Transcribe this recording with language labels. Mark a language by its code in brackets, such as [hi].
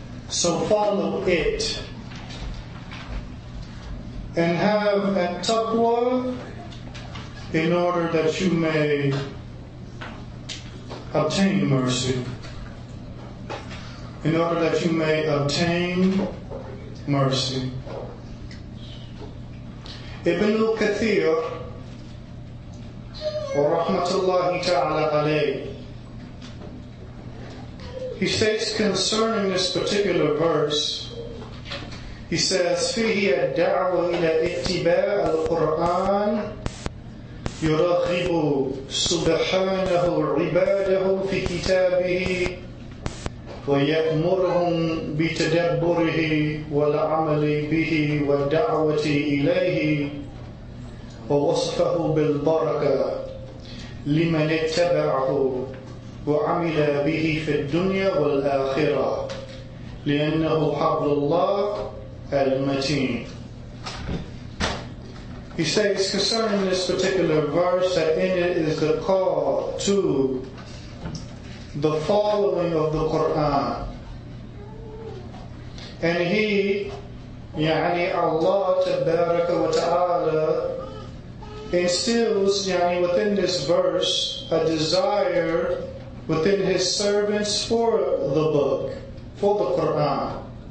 [en] So follow it and have a taqwa in order that you may obtain mercy, in order that you may obtain mercy. Ibn al-Kathir, or rahmatullahi ta'ala alayh, he states concerning this particular verse, he says, [ar] فِيهِ الدَّعْوَ إِلَىٰ اِتِّبَاعَ الْقُرْآنِ يرغب سبحانه عباده في كتابه ويأمرهم بتدبره والعمل به والدعوة إليه ووصفه بالبركة لمن اتبعه وعمل به في الدنيا والآخرة لأنه حبل الله المتين. [en] He states concerning this particular verse that in it is the call to the following of the Qur'an. And he, يعني Allah Tabaraka wa Ta'ala, instills يعني within this verse a desire within his servants for the book, for the Qur'an.